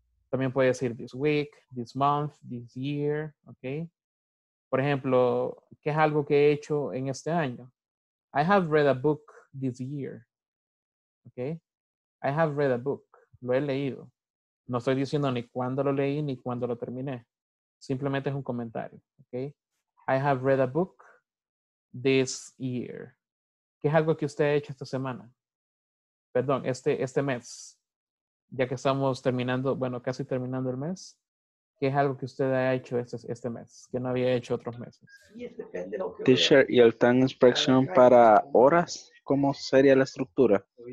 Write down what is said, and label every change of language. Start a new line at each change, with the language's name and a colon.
Spanish: También puede decir
English: this week, this month, this year. Okay.
Spanish: Por ejemplo, ¿qué es algo que he hecho en este año?
English: I have read a book this year.
Spanish: Okay?
English: I have read a book.
Spanish: Lo he leído. No estoy diciendo ni cuándo lo leí ni cuándo lo terminé. Simplemente es un comentario.
English: Okay? I have read a book this year.
Spanish: ¿Qué es algo que usted ha hecho esta semana? Perdón, este mes. Ya que estamos terminando, bueno, casi terminando el mes. ¿Qué es algo que usted ha hecho este mes? Que no había hecho otros meses. Teacher, ¿y el time expression para horas? ¿Cómo sería la estructura?